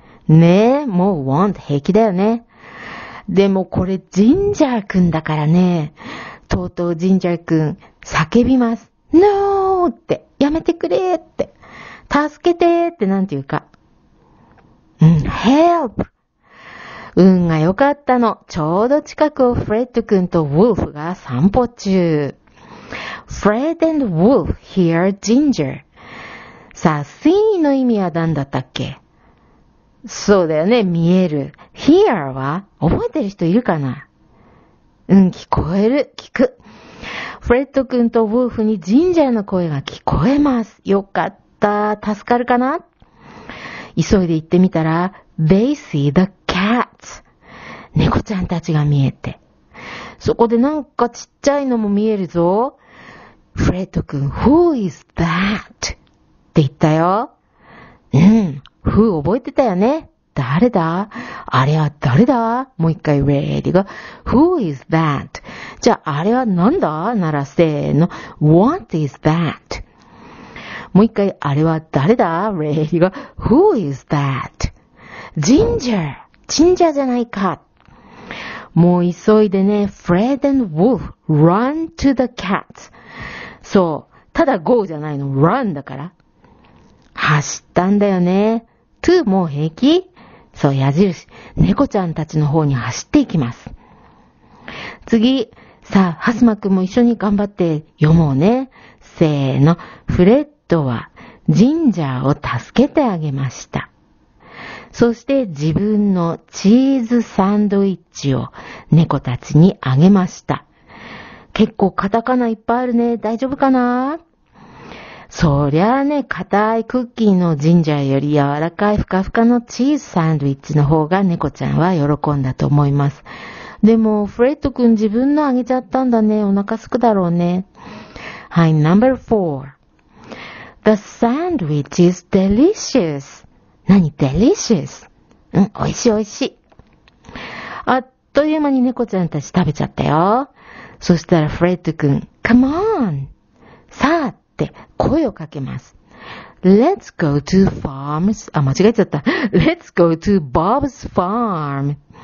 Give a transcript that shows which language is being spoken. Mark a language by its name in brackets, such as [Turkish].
[Japanese] ねえ、もう want 平気だよね。でもこれジンジャーくんだからね、とうとうジンジャーくん叫びます。 [English] No! [Japanese] って、やめてくれって、助けてってなんていうか。 [English] Help! [Japanese] 運が良かったの。ちょうど近くをフレッドくんとウォーフが散歩中。 [English] Fred and Wolf hear Ginger. [Japanese] さあ、see の意味は何だったっけ？そうだよね、見える。hear は？覚えてる人いるかな？聞こえる、聞く。フレッド君とウーフにジンジャーの声が聞こえます。よかった。助かるかな？急いで行ってみたら、 [English] They see the cat. [Japanese] 猫ちゃんたちが見えて。そこでなんかちっちゃいのも見えるぞ。フレッド君、 [English] Who is that? [Japanese] って言ったよ。Who 覚えてたよね。誰だ？あれは誰だ？もう一回 [English] ready go. Who is that? [Japanese] じゃああれはなんだ？ならせーの。 [English] What is that? [Japanese] もう一回あれは誰だ？ [English] ready go. Who is that? Ginger! [Japanese] Ginger じゃないか。もう急いでね、 [English] Fred and Wolf run to the cat. [Japanese] そう。ただ go じゃないの。run だから。走ったんだよね。 to もう平気？そう、矢印。猫ちゃんたちの方に走っていきます。次。さあ、ハスマくんも一緒に頑張って読もうね。せーの。フレッドは、ジンジャーを助けてあげました。そして、自分のチーズサンドイッチを猫たちにあげました。結構カタカナいっぱいあるね。大丈夫かな？そりゃあね、硬いクッキーのジンジャーより柔らかいふかふかのチーズサンドイッチの方が猫ちゃんは喜んだと思います。でも、フレッドくん自分のあげちゃったんだね。お腹すくだろうね。はい、 [English] number four. The sandwich is delicious. [Japanese] 何 delicious? 美味しい美味しい。あっという間に猫ちゃんたち食べちゃったよ。そしたらフレッドくん、 [English] come on! [Japanese] さあ、って声をかけます。 [English] Let's go to farms. [Japanese] あ、間違えちゃった。 [English] Let's go to Bob's farm.